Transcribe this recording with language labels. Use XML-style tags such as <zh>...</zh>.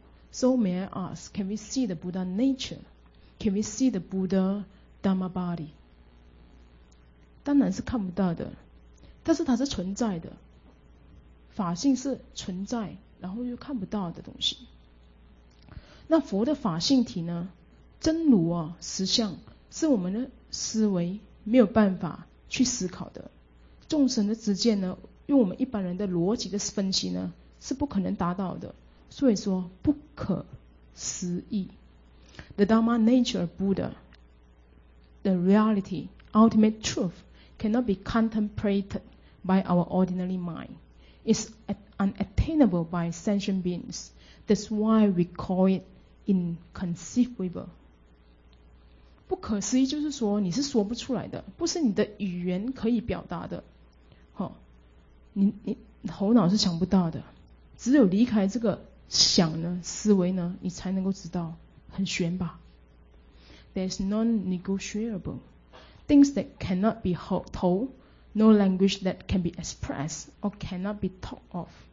<en>So may I ask, can we see the Buddha nature? Can we see the Buddha Dharma body?</en> <zh>当然是看不到的，但是它是存在的。法性是存在，然后又看不到的东西。那佛的法性体呢？真如啊，实相是我们的思维没有办法去思考的。众生的执见呢，用我们一般人的逻辑的分析呢，是不可能达到的。所以说不可思议。</zh> <en>The Dharma nature of Buddha, the reality, ultimate truth, cannot be contemplated by our ordinary mind. It's unattainable by sentient beings. That's why we call it inconceivable.</en> <zh>不可思议就是说你是说不出来的，不是你的语言可以表达的，你头脑是想不到的，只有离开这个想呢思维呢，你才能够知道，很玄吧。</zh> <en>There's non-negotiable things that cannot be told, no language that can be expressed or cannot be talked of.</en>